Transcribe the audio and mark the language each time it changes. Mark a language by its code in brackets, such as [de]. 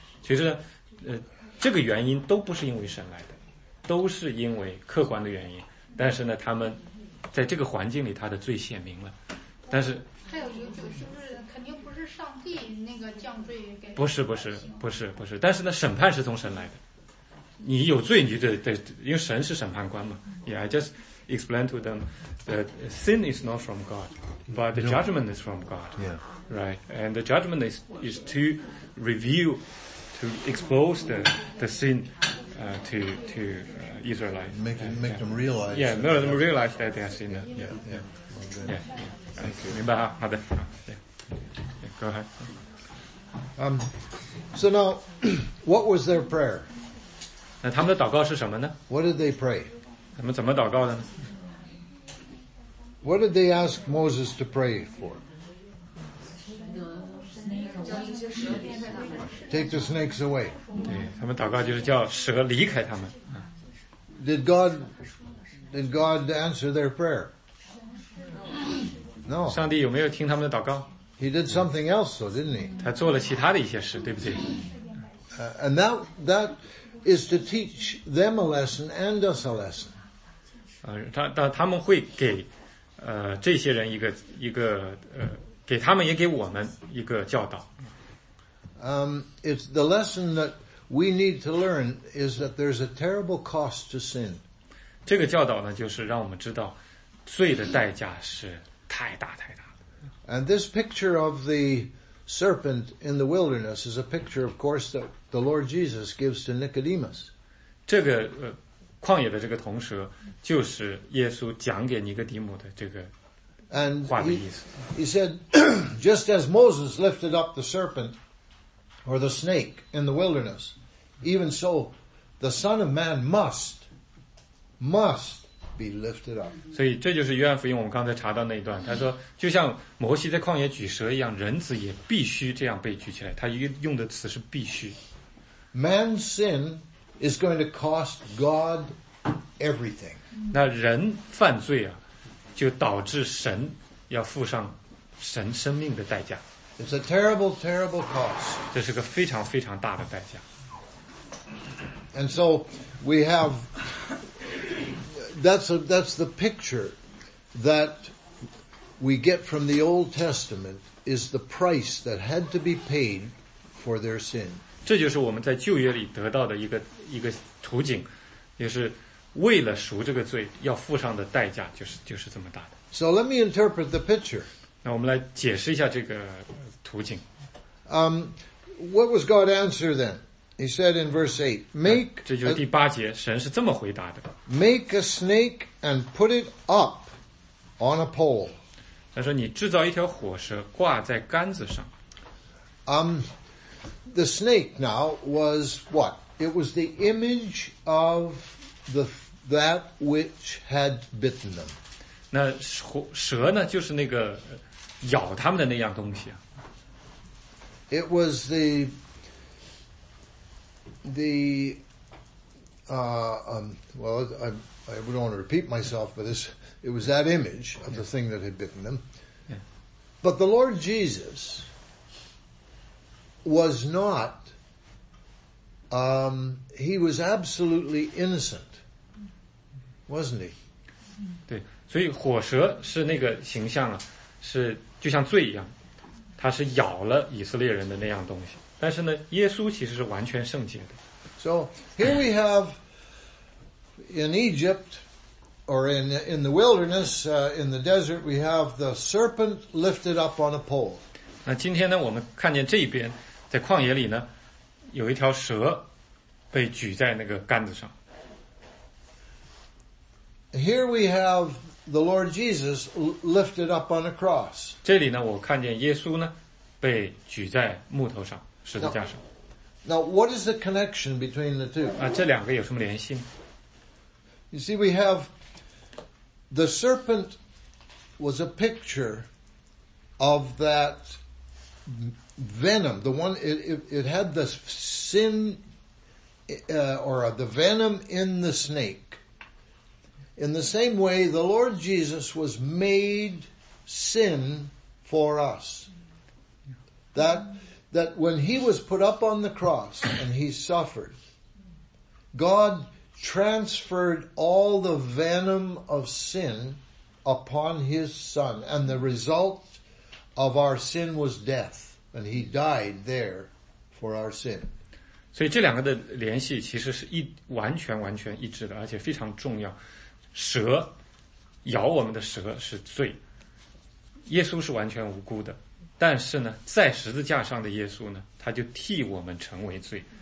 [zh] 其实，这个原因都不是因为神来的，都是因为客观的原因。但是呢，他们。在这个环境里，他的罪显明了，但是还有一个就是，是不是肯定不是上帝那个降罪给？不是，但是呢，审判是从神来的，你有罪，你得，因为神是审判官嘛。 [en] Yeah, I just explain to them that sin is not from God, but the judgment is from God. Yeah, right. And the judgment is to review, to expose the sin, to. Israelites. Make them realize. Yeah, make them realize that they are sinners. Yeah, yeah. Yeah. Yeah. Yeah. Thank you. Go ahead. So now, what was their prayer? [zh] 那他们的祷告是什么呢? [en] What did they pray? [zh] 他们怎么祷告的呢? [en] What did they ask Moses to pray for? Take the snakes away. [zh] 对，他们祷告就是叫蛇离开他们。 [en] Did God answer their prayer? No. [zh] 上帝有没有听他们的祷告？ [en] He did something else, though, didn't he? [zh] 他做了其他的一些事，对不对？ [en] And that is to teach them a lesson and us a lesson. [zh] 他们会给这些人一个给他们也给我们一个教导。 [en] It's the lesson that we need to learn is that there's a terrible cost to sin. [zh] 这个教导呢，就是让我们知道罪的代价是太大太大的。 [en] And this picture of the serpent in the wilderness is a picture, of course, that the Lord Jesus gives to Nicodemus. [zh] 这个旷野的这个铜蛇，就是耶稣讲给尼哥底母的这个。 [en] And he said, just as Moses lifted up the serpent or the snake in the wilderness, even so, the Son of Man must be lifted up. [zh] 所以这就是约翰福音我们刚才查到那一段，他说就像摩西在旷野举蛇一样，人子也必须这样被举起来。他用的词是必须。 [en] Man's sin is going to cost God everything. [zh] 那人犯罪啊，就导致神要付上神生命的代价。 [en] It's a terrible, terrible cost. [zh] 这是个非常非常大的代价。 [en] And so we have that's the picture that we get from the Old Testament is the price that had to be paid for their sin. [zh] 这就是我们在旧约里得到的一个图景，也是。为了赎这个罪要付上的代价就是这么大的。 [en] So let me interpret the picture. [zh] 那我们来解释一下这个图景。 [en] What was God's answer then? He said in verse 8, make, [zh] 这就是第八节，神是这么回答的。 [en] Make a snake and put it up on a pole. [zh] 他说你制造一条火蛇挂在杆子上。 [en] The snake now was what? It was the image of that which had bitten them. [zh] 那蛇呢，就是那个咬他们的那样东西。 [en] It was I don't want to repeat myself, but it was that image of the thing that had bitten them. But the Lord Jesus was not, he was absolutely innocent. Wasn't he? [zh] 对，所以火蛇是那个形象啊，是就像罪一样，它是咬了以色列人的那样东西。但是呢，耶稣其实是完全圣洁的。 [en] So here we have in Egypt, or in the wilderness, in the desert, we have the serpent lifted up on a pole. [zh] 那今天呢，我们看见这边在旷野里呢，有一条蛇被举在那个杆子上。 [en] Here we have the Lord Jesus lifted up on a cross. [zh] 这里呢，我看见耶稣呢，被举在木头上，十字架上。 [en] Now, what is the connection between the two? [zh] 啊，这两个有什么联系呢？ [en] You see, we have the serpent was a picture of that venom. The one it had the sin or the venom in the snake. In the same way, the Lord Jesus was made sin for us. That when he was put up on the cross and he suffered, God transferred all the venom of sin upon his son. And the result of our sin was death. And he died there for our sin. [zh] 所以这两个的联系其实是完全完全一致的，而且非常重要。蛇咬我们的蛇是罪，耶稣是完全无辜的，但是呢，在十字架上的耶稣呢，他就替我们成为罪。